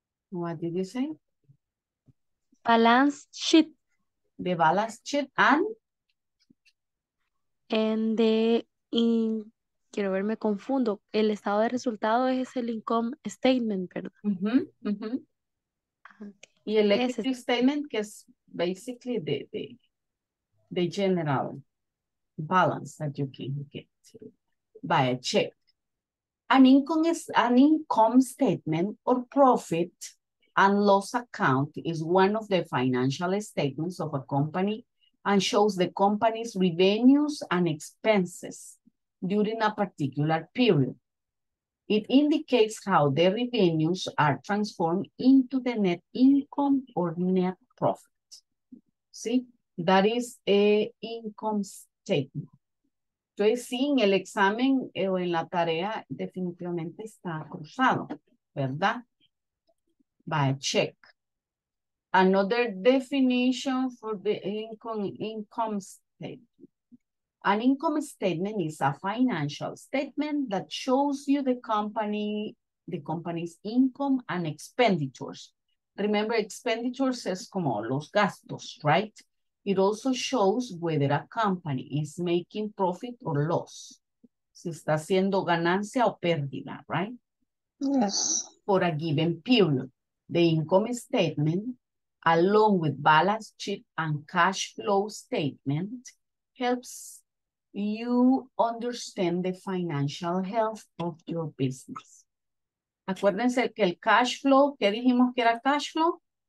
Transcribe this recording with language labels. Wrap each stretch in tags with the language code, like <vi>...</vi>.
<en>What did you say? Balance sheet. The balance sheet and the in,</en> <es>quiero ver, me confundo. El estado de resultado es el income statement, ¿verdad? Y el</es> <en>equity statement,</en> <es>que es</es> <en>basically the general balance that you can get by a check. An income statement or profit and loss account is one of the financial statements of a company and shows the company's revenues and expenses during a particular period. It indicates how the revenues are transformed into the net income or net profit. See, that is a income statement.</en> <es>Entonces, sí, en el examen o en la tarea definitivamente está cruzado, ¿verdad?</es> <en>By a check. Another definition for the income statement. An income statement is a financial statement that shows you the company's income and expenditures. Remember,</en> <es>expenditures es como los gastos,</es> <en>right? It also shows whether a company is making profit or loss.</en> <es>Si está haciendo ganancia o pérdida,</es> <en>right? Yes. For a given period, the income statement, along with balance sheet and cash flow statement, helps you understand the financial health of your business.</en> <es>Acuérdense que el cash flow, ¿qué dijimos que era cash flow?</es>